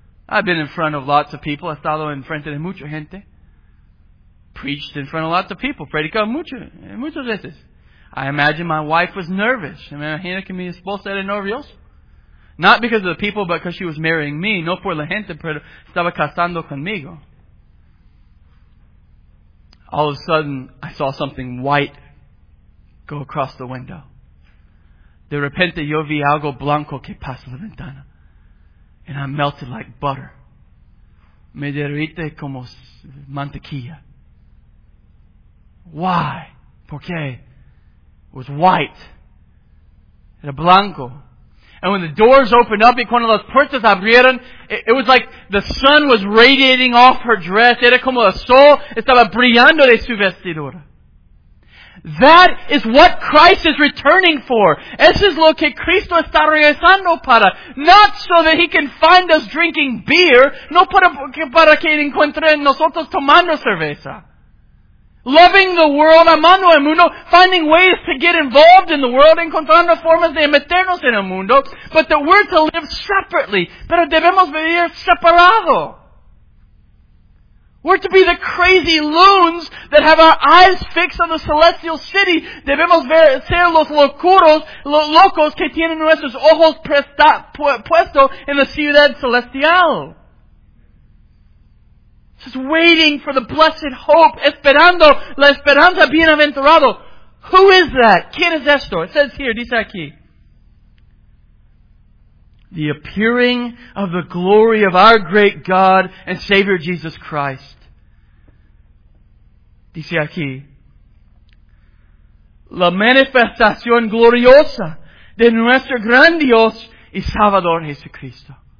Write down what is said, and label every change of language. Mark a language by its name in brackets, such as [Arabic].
[English] I've been in front of lots of people. [Spanish] He estado en frente de mucha gente. [English] Preached in front of lots of people. [Spanish] Predicado muchas veces. [English] I imagine my wife was nervous. I imagine [Spanish] que mi esposa era nerviosa. [English] Not because of the people, but because she was marrying me. [Spanish] No por la gente, pero estaba casando conmigo. [English] All of a sudden, I saw something white go across the window. [Spanish] De repente, yo vi algo blanco que pasa la ventana. [English] And I melted like butter. [Spanish] Me derrite como mantequilla. [English] Why? [Spanish] Porque [English] it was white. [Spanish] Era blanco. [English] And when the doors opened up, [Spanish] y cuando las puertas abrieron, [English] it was like the sun was radiating off her dress. [Spanish] Era como el sol estaba brillando de su vestidura. [English] That is what Christ is returning for. [Spanish] Eso es lo que Cristo está regresando para. [English] Not so that He can find us drinking beer. [Spanish] No para que encuentre nosotros tomando cerveza. [English] Loving the world, [Spanish] amando el mundo, [English] finding ways to get involved in the world, [Spanish] encontrando formas de meternos en el mundo, [English] but that we're to live separately. [Spanish] Pero debemos vivir separado. [English] We're to be the crazy loons that have our eyes fixed on the celestial city. [Spanish] Debemos ser los locuros, locos que tienen nuestros ojos puestos en la ciudad celestial. [English] Just waiting for the blessed hope, [Spanish] esperando la esperanza bienaventurado. [English] Who is that? [Spanish] ¿Quién es esto? [English] It says here, [Spanish] dice aquí. [English] The appearing of the glory of our great God and Savior Jesus Christ. [Spanish] Dice aquí. La manifestación gloriosa de nuestro gran Dios y Salvador Jesucristo.